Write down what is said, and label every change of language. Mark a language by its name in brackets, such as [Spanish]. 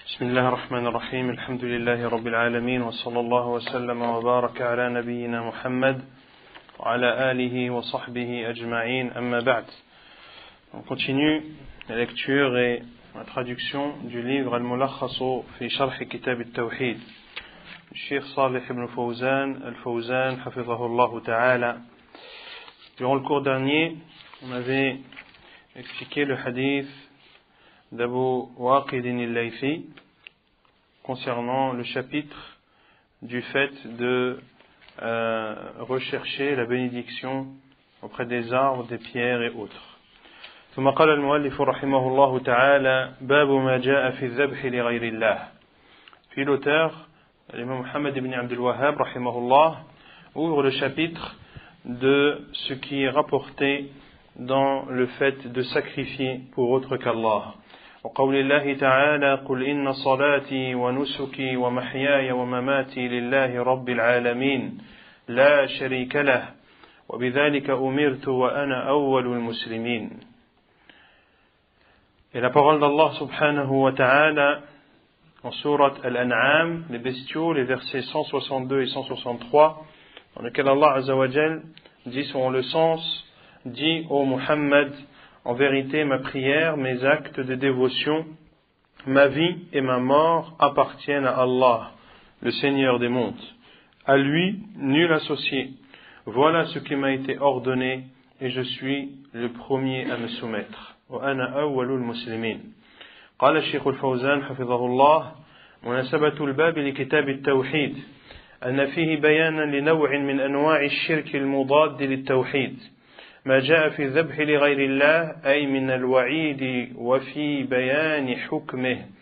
[Arabic] بسم الله الرحمن الرحيم الحمد لله رب العالمين وصلى الله وسلم وبارك على نبينا محمد وعلى آله وصحبه أجمعين أما بعد. [French] On continue la lecture et la traduction du livre الملخص في شرح كتاب التوحيد. [Arabic] الشيخ صالح بن فوزان الفوزان حفظه الله تعالى. [French] Durant le cours dernier, on avait expliqué le hadith d'Abu Waqid al-Layfi concernant le chapitre du fait de rechercher la bénédiction auprès des arbres, des pierres et autres. [Arabic] ثم قال المؤلف رحمه الله تعالى باب ما جاء في الذبح لغير الله. [French] Puis l'auteur, l'imam Muhammad ibn Abdul Wahhab [Arabic] رحمه الله, [French] ouvre le chapitre de ce qui est rapporté dans le fait de sacrifier pour autre qu'Allah. [Arabic] وقول الله تعالى قل إن صلاتي ونسكي ومحياي ومماتي لله رب العالمين لا شريك له وبذلك أمرت وأنا أول المسلمين. [French] Et la parole d'Allah subhanahu wa ta'ala en sourate Al-An'am, les bestiaux, les versets 162 et 163, dans lesquels Allah azza wa jal dit selon le sens, dit ô Muhammad, en vérité, ma prière, mes actes de dévotion, ma vie et ma mort appartiennent à Allah, le Seigneur des mondes. À lui, nul associé. Voilà ce qui m'a été ordonné et je suis le premier à me soumettre. [Arabic] Wa ana awwalul muslimin. قال الشيخ الفوزان حفظه الله مناسبة الباب لكتاب التوحيد أن فيه بيانا لنوع من أنواع الشرك المضاد للتوحيد. ما جاء في الذبح لغير الله أي من الوعيد وفي بيان حكمه